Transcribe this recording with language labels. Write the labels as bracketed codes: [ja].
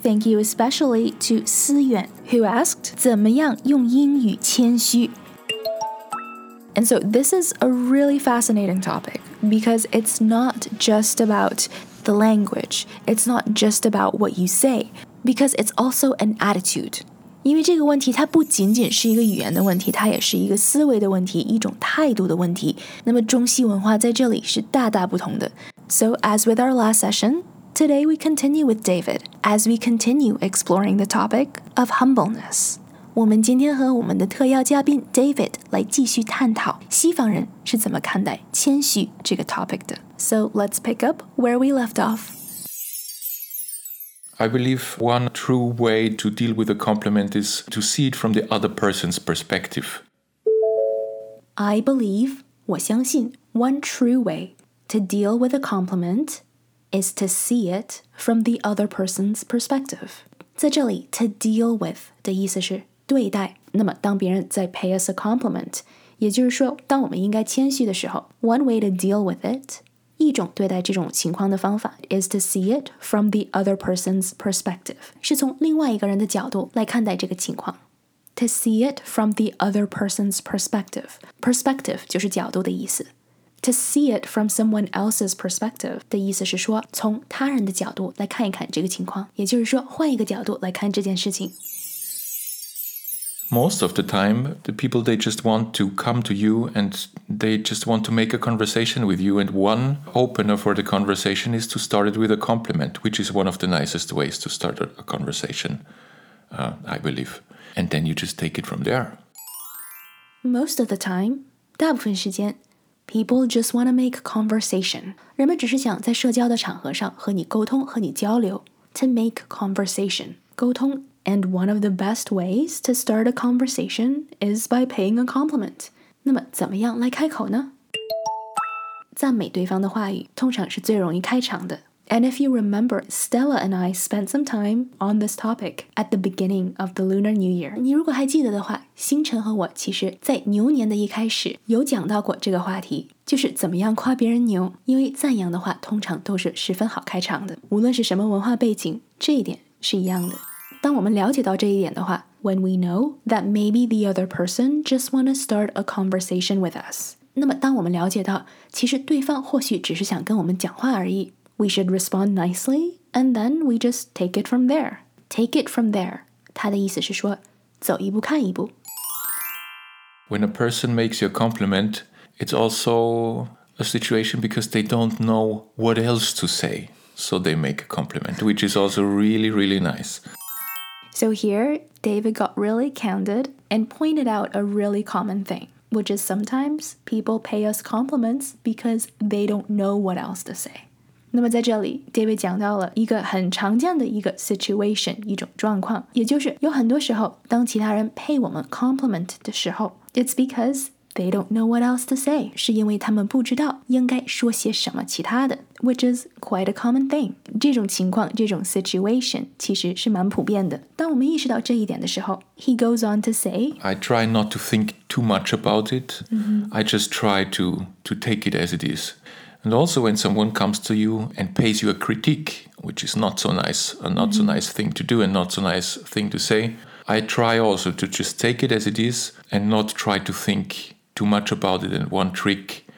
[en] Thank you especially to 思远 who asked [zh] 怎么样用英语谦虚 [en] And so this is a really fascinating topic because it's not just about the language. It's not just about what you say. Because it's also an attitude. [zh] 因为这个问题它不仅仅是一个语言的问题，它也是一个思维的问题，一种态度的问题。那么中西文化在这里是大大不同的。 [en] So as with our last session, today we continue with David as we continue exploring the topic of humbleness. [zh] 我们今天和我们的特邀嘉宾 David 来继续探讨西方人是怎么看待谦虚这个 topic 的。 [en] So let's pick up where we left off. I believe one true way to deal with a compliment is to see it from the other person's perspective. I believe, [zh] 我相信, [en] one true way to deal with a compliment is to see it from the other person's perspective. [zh] 在这里, to deal with 的意思是对待。那么当别人在 [en] pay us a compliment, [zh] 也就是说当我们应该谦虚的时候, [en] one way to deal with it, [zh] 一种对待这种情况的方法 [en] is to see it from the other person's perspective [zh] 是从另外一个人的角度来看待这个情况 [en] to see it from the other person's perspective [zh] perspective 就是角度的意思 [en] to see it from someone else's perspective [zh] 的意思是说从他人的角度来看一看这个情况也就是说换一个角度来看这件事情 [en] Most of the time, the people, they just want to come to you and they just want to make a conversation with you. And one opener for the conversation is to start it with a compliment, which is one of the nicest ways to start a conversation, I believe. And then you just take it from there. Most of the time, [zh] 大部分时间 [en] people just want to make a conversation. [zh] 人们只是想在社交的场合上和你沟通和你交流 [en] to make conversation, [zh] 沟通 [en] And one of the best ways to start a conversation is by paying a compliment. [zh] 那么怎么样来开口呢？赞美对方的话语通常是最容易开场的。 [en] And if you remember, Stella and I spent some time on this topic at the beginning of the Lunar New Year. [zh] 你如果还记得的话，星辰和我其实在牛年的一开始有讲到过这个话题，就是怎么样夸别人牛。因为赞扬的话通常都是十分好开场的，无论是什么文化背景，这一点是一样的。当我们了解到这一点的话 [en] when we know that maybe the other person just want to start a conversation with us, [zh] 那么当我们了解到其实对方或许只是想跟我们讲话而已 [en] we should respond nicely, and then we just take it from there. Take it from there. [zh] 他的意思是说走一步看一步。 [en] When a person makes you a compliment, it's also a situation because they don't know what else to say, so they make a compliment, which is also really, really nice. So here, David got really candid and pointed out a really common thing, which is sometimes people pay us compliments because they don't know what else to say. [zh] 那么在这里 David 讲到了一个很常见的一个 situation, 一种状况。也就是有很多时候当其他人 pay 我们 compliment 的时候 [en] it's because they don't know what else to say, [zh] 是因为他们不知道应该说些什么其他的。 [en] Which is quite a common thing. [zh] 这种情况,这种 situation 其实是蛮普遍的。当我们意识到这一点的时候, [en] he goes on to say, I try not to think too much about it. Mm-hmm. I just try to take it as it is. And also when someone comes to you and pays you a critique, which is not so nice, a not mm-hmm. so nice thing to do and not so nice thing to say, I try also to just take it as it is and not try to think too much about it and one trick.